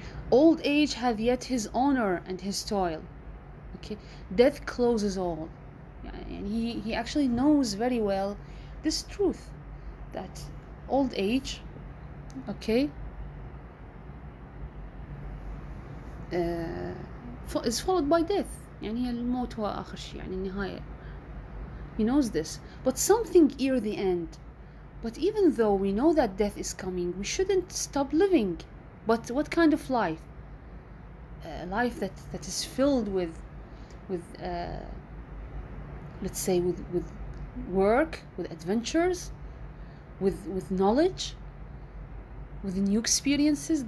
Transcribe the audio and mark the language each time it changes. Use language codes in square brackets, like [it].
[en] Old age hath yet his honor and his toil. Okay? Death closes all. And he actually knows very well this truth that old age, okay, is followed by death. [ar] يعني الموت هو آخر شيء يعني النهاية. [en] He knows this, but something near the end. But even though we know that death is coming, we shouldn't stop living. But what kind of life? A life that is filled with let's say with work, with adventures, with knowledge, with new experiences.